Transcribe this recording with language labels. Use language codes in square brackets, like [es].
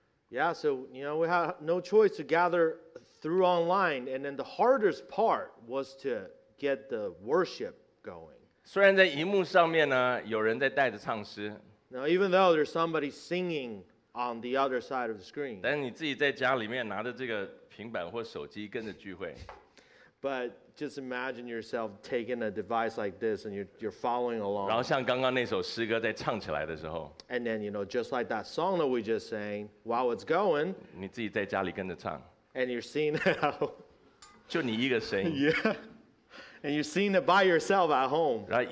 [en] Yeah, so you know, we had no choice to gather through online, and then the hardest part was to get the worship going. [zh] 虽然在荧幕上面呢，有人在带着唱诗。 [en] Now, even though there's somebody singing on the other side of the screen. [zh] 但你自己在家里面拿着这个平板或手机跟着聚会。 [en] But just imagine yourself taking a device like this and you're following along. [zh] 然后像刚刚那首诗歌在唱起来的时候。 [en] And then, you know, just like that song that we just sang, while it's going. [zh] 你自己在家里跟着唱。 [en] And you're seeing it. [zh] 就你一个声音。 [en] Yeah. And you're seeing it by yourself at home.